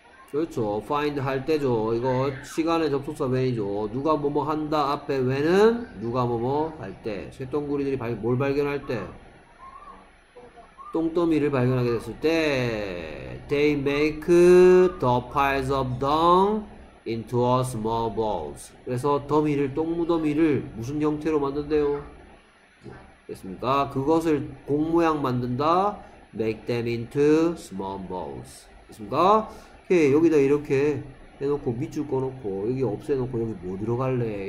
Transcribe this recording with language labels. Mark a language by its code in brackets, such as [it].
[ko] 그렇죠. find 할 때죠. 이거 시간의 접속사 when이죠. 누가 뭐뭐 한다 앞에 when은 누가 뭐뭐 할 때. 쇠똥구리들이 뭘 발견할 때? 똥더미를 발견하게 됐을 때. [en] They make the piles of dung into a small balls. [ko] 그래서 더미를, 똥무더미를 무슨 형태로 만든대요? 됐습니까? 그것을 공모양 만든다. [en] Make them into small balls. [ko] 됐습니까? 오케이, 여기다 이렇게 해놓고 밑줄 꺼놓고 여기 없애놓고 여기 뭐 들어갈래?